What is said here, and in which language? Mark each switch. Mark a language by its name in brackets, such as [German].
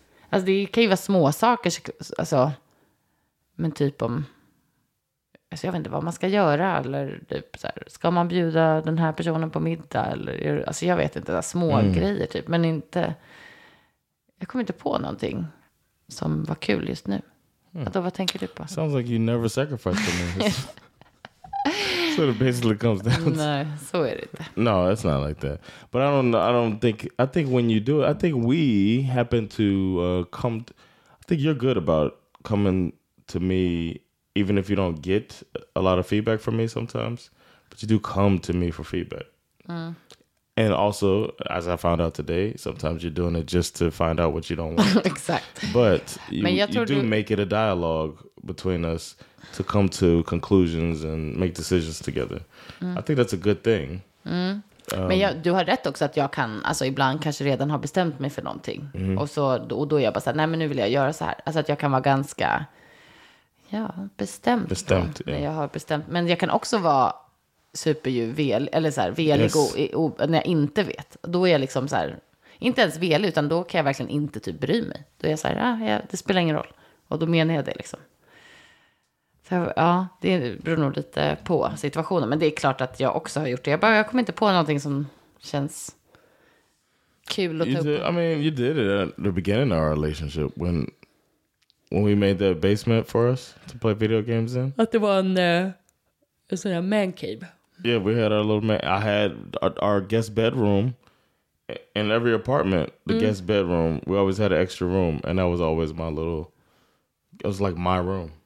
[Swedish] Alltså det kan ju vara små saker, alltså, men typ om, alltså jag vet inte vad man ska göra, eller typ så här, ska man bjuda den här personen på middag, eller, alltså jag vet inte, så här, små grejer typ, men inte, jag kommer inte på någonting som var kul just nu. Alltså, vad tänker du på? [English] Sounds like you never sacrificed for me. So it basically comes down. No, so it is. No, it's not like that. But I think when you do it, I think we happen to come. I think you're good about coming to me, even if you don't get a lot of feedback from me sometimes. But you do come to me for feedback. And also, as I found out today, sometimes you're doing it just to find out what you don't want. Exactly. But you make it a dialogue between us to come to conclusions and make decisions together. Mm. I think that's a good thing. [Swedish] Men du har rätt också att jag kan, alltså ibland kanske redan har bestämt mig för någonting. Mm. Och då är jag bara så här, nej men nu vill jag göra så här. Alltså att jag kan vara ganska, ja, bestämd. Bestämt, ja. Jag har bestämt. Men jag kan också vara superjuvel, eller så här, velig när jag inte vet. Då är jag liksom så här, inte ens velig, utan då kan jag verkligen inte typ bry mig. Då är jag så här, det spelar ingen roll. Och då menar jag det liksom. Så, ja, det beror nog lite på situationen. Men det är klart att jag också har gjort det. Jag kom inte på någonting som känns kul att ta upp. [English] I mean, you did it at the beginning of our relationship when we made the basement for us to play video games in. [Swedish] Att det var en sån här man cave. [English] Yeah, we had our little man. I had our guest bedroom in every apartment. The guest bedroom. We always had an extra room. And that was always my little, it was like my room.